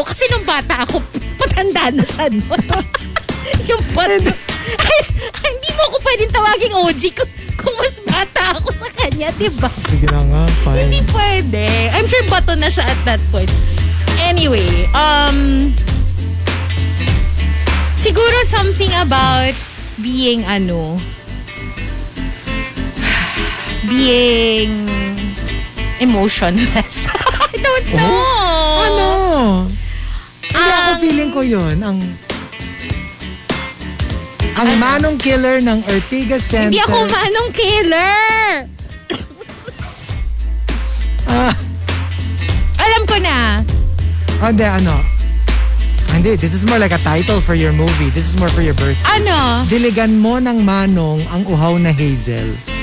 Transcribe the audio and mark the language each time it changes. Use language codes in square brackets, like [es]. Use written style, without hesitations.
[tl] Kasi nung bata ako, patanda na siya. No? Yung bato. And, ay, hindi mo ako pwedeng tawaging OG ko. Kung mas bata ako sa kanya, diba? Sige na nga, fine. Hindi pwede. [en] I'm sure [tl] bato na siya [en] at that point. Anyway, siguro something about being ano, being emotionless. I don't know. Oh? [tl] Ano? Hindi ako feeling ko yun. Ang manong killer ng Ortigas Center. Hindi ako manong killer! Alam ko na. Hindi, ano? [en] Hindi, this is more like a title for your movie. This is more for your birthday. [tl] Ano? Diligan mo ng manong ang uhaw na Hazel.